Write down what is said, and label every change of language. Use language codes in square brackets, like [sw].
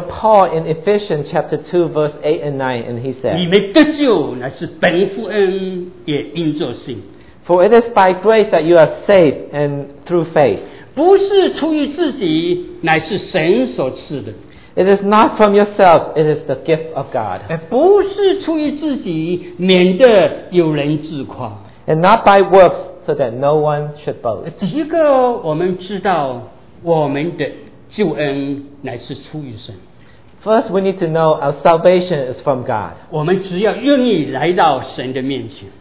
[en] Paul in Ephesians chapter 2 verse 8 and 9, and he said, [zh] 你们得救乃是本乎恩，也因着信。 [en] For it is by grace that you are saved and through faith. [zh] 不是出于自己，乃是神所赐的。 [en] It is not from yourself, it is the gift of God. [zh] 不是出于自己，免得有人自夸。 [en] And not by works, so that no one should boast. [zh] 第一个，我们知道我们的救恩乃是出于神。 [en] First, we need to know our salvation is from God. [zh] 我们只要愿意来到神的面前。